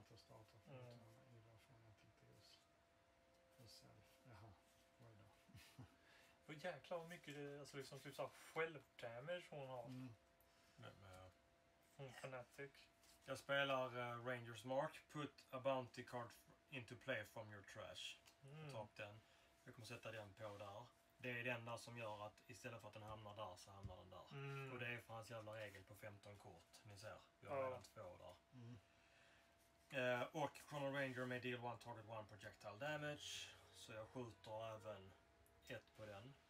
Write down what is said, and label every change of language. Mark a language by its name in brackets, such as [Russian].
[Swedish] Att jag startar för att ta mig i till just... ...för self. Jaha, vad är det då? Vad jäklar vad mycket, alltså liksom typ såhär självdamage hon har. Mm. Hon är fanatic. Jag spelar Ranger's Mark. [English] Put a bounty card into play from your trash. [Swedish] Ta upp den. Jag kommer sätta den på där. Det är det enda som gör att istället för att den hamnar där så hamnar den där. Mm. Och det är för hans jävla regel på 15 kort. Ni ser, vi har redan 2 där. [English] Och Chrono Ranger med deal 1 target 1 projectile damage. [Swedish] Så jag skjuter även 1 på den.